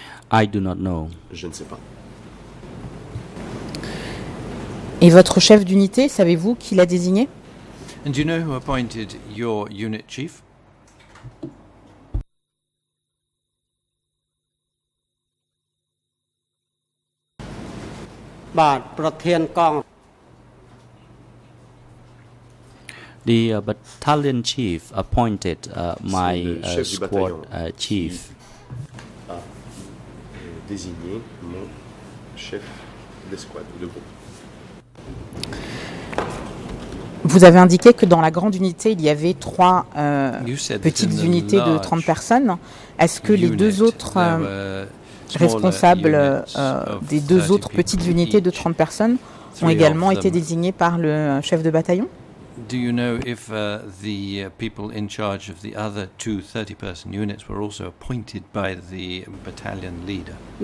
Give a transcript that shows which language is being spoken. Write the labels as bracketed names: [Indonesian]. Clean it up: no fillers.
[English] I do not know. [French] Je ne sais pas. Et votre chef d'unité, savez-vous qui l'a désigné? [English] And do you know who appointed your unit chief? The battalion chief appointed my squad chief. [French] A désigné mon chef de squad de groupe. Vous avez indiqué que dans la grande unité, il y avait trois petites unités de 30 personnes. Est-ce que les deux autres responsables des deux autres petites unités de 30 personnes ont également été désignés par le chef de bataillon? Do you know if the people in charge of the other two 30-person units were also appointed by the battalion leader?